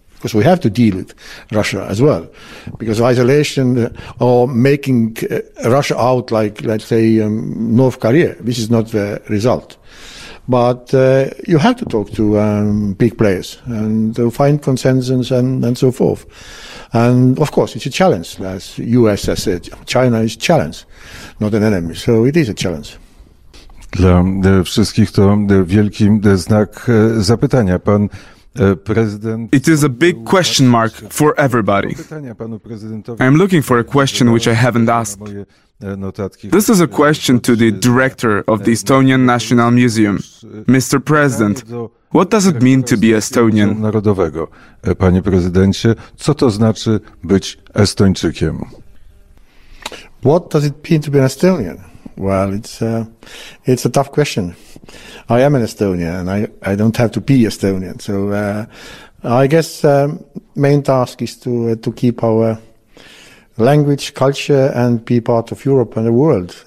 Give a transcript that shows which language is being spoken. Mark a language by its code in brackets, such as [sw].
[en] Because we have to deal with Russia as well. Because isolation or making Russia out like, let's say, North Korea, this is not the result. But you have to talk to big players and to find consensus and so forth. And of course, it's a challenge, as US has said. China is a challenge, not an enemy. So it is a challenge. [pl] Dla wszystkich to wielki znak zapytania. Pan [en] It is a big question mark for everybody. I'm looking for a question which I haven't asked. This is a question to the director of the Estonian National Museum. Mr. President, what does it mean to be Estonian? [pl] Panie prezydencie, co to znaczy być Estończykiem? [en] What does it mean to be an Estonian? Well, it's a tough question. I am an Estonian, and I don't have to be Estonian. So I guess main task is to keep our language, culture, and be part of Europe and the world.